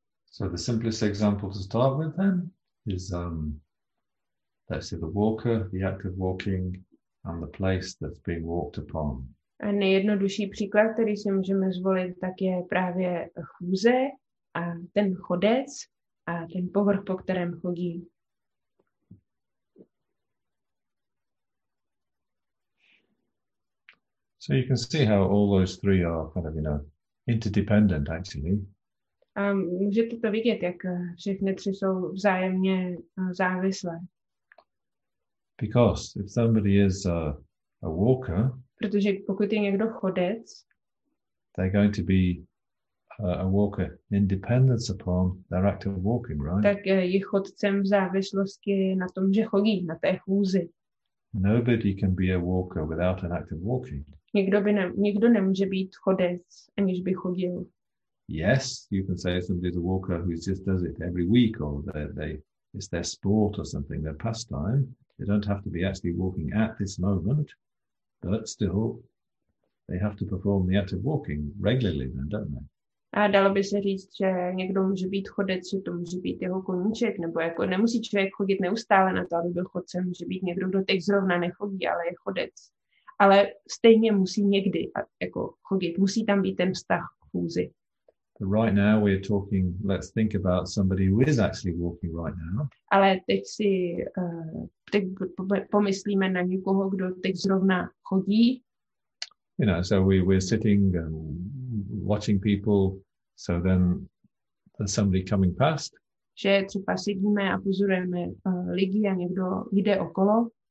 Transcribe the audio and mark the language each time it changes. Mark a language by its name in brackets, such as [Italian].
[English] So the simplest example to start with then is, let's say, the walker, the act of walking, and the place that's being walked upon. [Czech] A nejjednodušší příklad, který si můžeme zvolit, tak je právě chůze a ten chodec a ten povrch, po kterém chodí. [English] So you can see how all those three are kind of, you know, interdependent actually. [Czech] A můžete to vidět, jak všechny tři jsou vzájemně závislé. [English] Because if somebody is a walker, [Czech] protože pokud je někdo chodec, [English] they're going to be a walker in dependence upon their act of walking, right? [Czech] Tak je chodcem v závislosti na tom, že chodí, na té chůzi. [English] Nobody can be a walker without an act of walking. [Czech] Nikdo nemůže být chodec, aniž by chodil. [English] Yes, you can say somebody's a walker who just does it every week, or they it's their sport or something, their pastime. They don't have to be actually walking at this moment, but still, they have to perform the act of walking regularly, then, don't they? [Czech] A dalo by se říct, že někdo může být chodec, že to může být jeho koníček, nebo jako nemusí člověk chodit neustále na to, aby byl chodcem, může být někdo, kdo teď zrovna nechodí, ale je chodec. Ale stejně musí někdy jako chodit, musí tam být ten vztah chůzy. [English] But right now we're talking, let's think about somebody who is actually walking right now. [Czech] Ale teď si teď pomyslíme na někoho, kdo teď zrovna chodí. [English] You know, so we're sitting and watching people, so then there's somebody coming past. [Czech] Že třeba sedíme a pozorujeme lidi a někdo jde okolo.